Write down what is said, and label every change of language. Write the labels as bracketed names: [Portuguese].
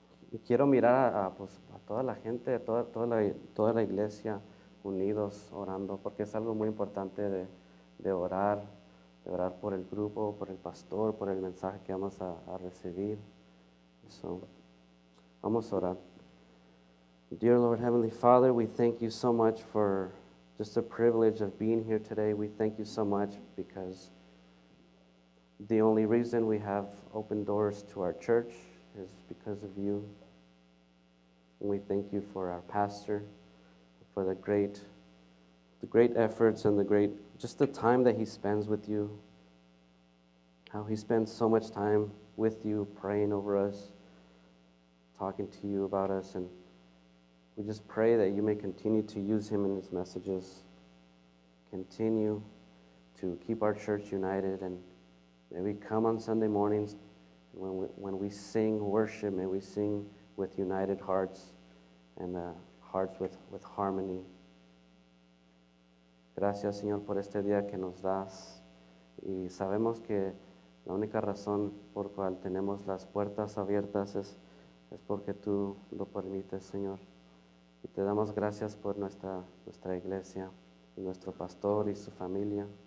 [Spanish] Y quiero mirar a toda la gente, toda la iglesia, unidos, orando, porque es algo muy importante de orar por el grupo, por el pastor, por el mensaje que vamos a recibir. So, vamos a orar. [English] Dear Lord, Heavenly Father, we thank you so much for just the privilege of being here today. We thank you so much because the only reason we have open doors to our church is because of you. And we thank you for our pastor, for the great efforts and just the time that he spends with you, how he spends so much time with you, praying over us, talking to you about us. And we just pray that you may continue to use him in his messages, continue to keep our church united, and may we come on Sunday mornings when we sing worship, may we sing with united hearts and hearts with harmony. [Spanish] Gracias, Señor, por este día que nos das. Y sabemos que la única razón por cual tenemos las puertas abiertas es porque tú lo permites, Señor. Y te damos gracias por nuestra iglesia, y nuestro pastor y su familia.